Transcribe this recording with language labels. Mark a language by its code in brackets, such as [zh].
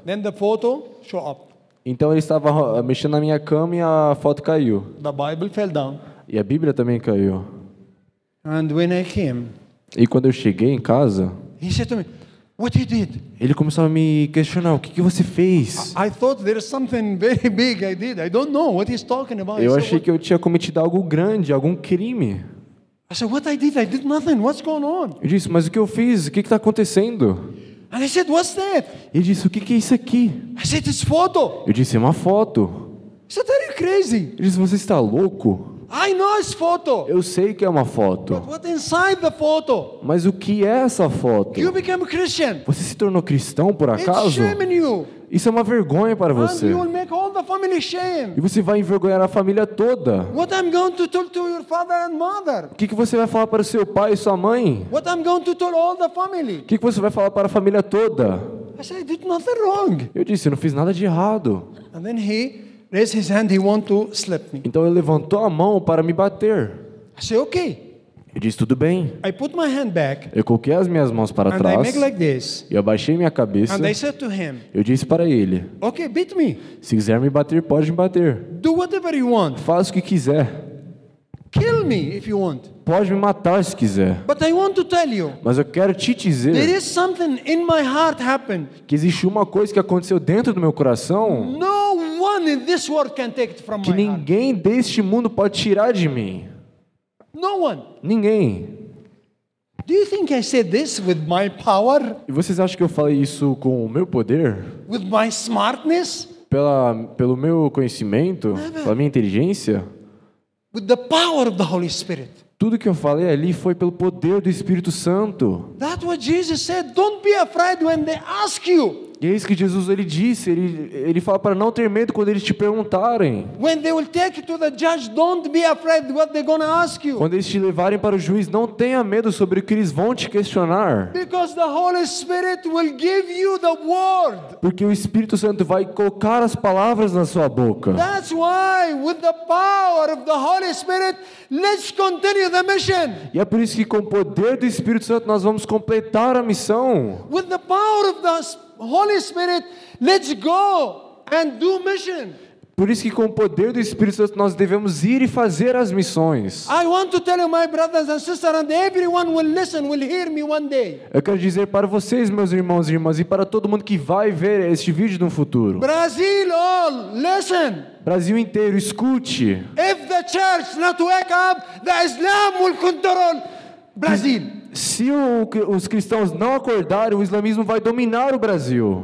[en] Then the photo show up. [pt] Então ele estava mexendo na minha cama e a foto caiu. [en] The Bible fell down. [pt] E a Bíblia também caiu. [en] And when I came. [pt] E quando eu cheguei em casa. [en] He said to me, what you did? [pt] Ele começou a me questionar, o que você fez? [en] I thought there is something very big I did. I don't know what he's talking about. [pt] Eu achei que eu tinha cometido algo grande, algum crime. [en] I said, what I did? I did nothing. What's going on? [pt] Eu disse, mas o que eu fiz? O que está acontecendo? [en] And I said, what's that? [pt] Ele disse, o que é isso aqui? [en] I said, it's photo. [pt] Eu disse, é uma foto. [en] He said, are you crazy? [pt] Ele disse, você está louco? [en] I know it's photo. [pt] Eu sei que é uma foto. [en] But what inside the photo? [pt] Mas o que é essa foto? [en] You became a Christian. [pt] Você se tornou cristão por acaso? [en] It's shaming you. [pt] Isso é uma vergonha para [en] and [pt] você. [en] You will make all the family shame. [pt] E você vai envergonhar a família toda. [en] What I'm going to tell to your father and mother? [pt] O que você vai falar para seu pai e sua mãe? [en] What I'm going to tell all the family? [pt] O que você vai falar para a família toda? [en] I said, I did nothing wrong. [pt] Eu disse, eu não fiz nada de errado. [en] And then he raised his hand, he wanted to slap me. [pt] Então ele levantou a mão para me bater. [en] I said, okay. [pt] Eu disse, tudo bem. [en] I put my hand back, [pt] eu coloquei as minhas mãos para [en] and [pt] trás. [en] I make like this, [pt] e eu abaixei minha cabeça. [en] And I said to him, [pt] eu disse para ele. [en] Okay, beat me. [pt] Se quiser me bater, pode me bater. [en] Do whatever you want. [pt] Faça o que quiser. [en] Kill me if you want. [pt] Pode me matar se quiser. [en] But I want to tell you, [pt] mas eu quero te dizer. [en] There is something in my heart happened. [pt] Que existe uma coisa que aconteceu dentro do meu coração. [en] No one in this world can take it from [pt] que ninguém [en] my heart. [pt] Deste mundo pode tirar de mim. [en] No one. [pt] Ninguém. [en] Do you think I said this with my power? [pt] E vocês acham que eu falei isso com o meu poder? [en] With my smartness? [pt] Pelo meu conhecimento? [en] Never. [pt] Pela minha inteligência? [en] With the power of the Holy Spirit. [pt] Tudo que eu falei ali foi pelo poder do Espírito Santo. [en] That's what Jesus said. Don't be afraid when they ask you. [pt] E é isso que Jesus ele disse. Ele fala para não ter medo quando eles te perguntarem. [en] When they will take you to the judge, don't be afraid what they're gonna ask you. [pt] Quando eles te levarem para o juiz, não tenha medo sobre o que eles vão te questionar. [en] Because the Holy Spirit will give you the word. [pt] Porque o Espírito Santo vai colocar as palavras na sua boca. [en] That's why, with the power of the Holy Spirit, let's continue the mission. [pt] E é por isso que com o poder do Espírito Santo nós vamos completar a missão. [en] With the power of the Holy Spirit, let's go and do mission. [pt] Por isso que com o poder do Espírito Santo nós devemos ir e fazer as missões. [en] I want to tell you, my brothers and sisters, and everyone will listen, will hear me one day. [pt] Eu quero dizer para vocês, meus irmãos e irmãs, e para todo mundo que vai ver este vídeo no futuro. [en] Brazil, all, listen. [pt] Brasil inteiro, escute. [en] If the church not wake up, the Islam will control Brazil. [pt] Se os cristãos não acordarem, o islamismo vai dominar o Brasil.